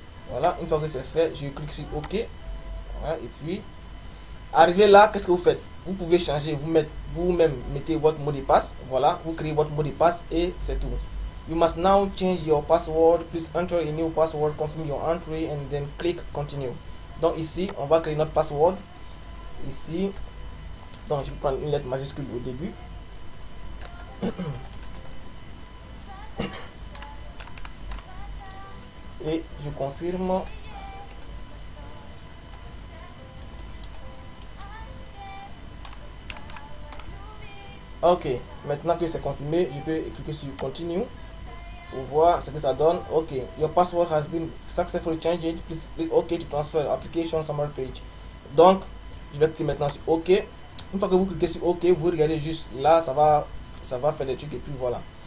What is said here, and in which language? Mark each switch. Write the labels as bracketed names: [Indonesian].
[French] Voilà, une fois que c'est fait, je clique sur OK. Voilà, et puis arrivé là, qu'est-ce que vous faites? Vous pouvez changer, vous mettez votre mot de passe. Voilà, vous créez votre mot de passe et c'est tout. [English] You must now change your password. Please enter a new password, confirm your entry and then click continue. [French] Donc ici, on va créer notre password ici. Donc je vais prendre une lettre majuscule au début. Et je confirme. Ok, maintenant que c'est confirmé, je peux cliquer sur continue pour voir ce que ça donne. [English] Ok, your password has been successfully changed. Please OK to transfer application summary page. [French] Donc je vais cliquer maintenant sur OK. Une fois que vous cliquez sur OK, vous regardez juste là, ça va faire des trucs et puis voilà.